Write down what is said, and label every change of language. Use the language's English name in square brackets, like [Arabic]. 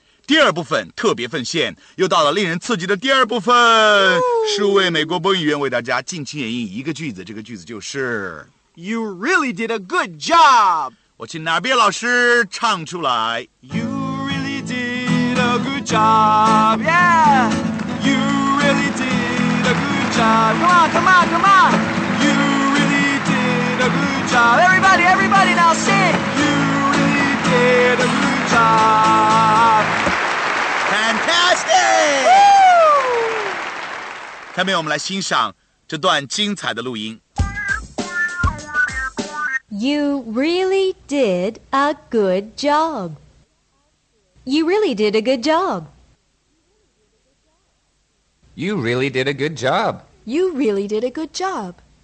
[Chinese] 第二部分特别奉献，又到了令人刺激的第二部分。数位美国播音员为大家尽情演绎一个句子，这个句子就是 [English] You really did a good job. [Chinese] 我请纳比老师唱出来。 [English] You really did a good job. Yeah. You really did a good job. Come on, come on, come on. You really did a good job. Everybody, everybody now sing! You really did a good job! Fantastic! Woo! [Chinese] 下面我们来欣赏这段精彩的录音。 [English] You really did a good job. You really did a good job. You really did a good job. You really did a good job.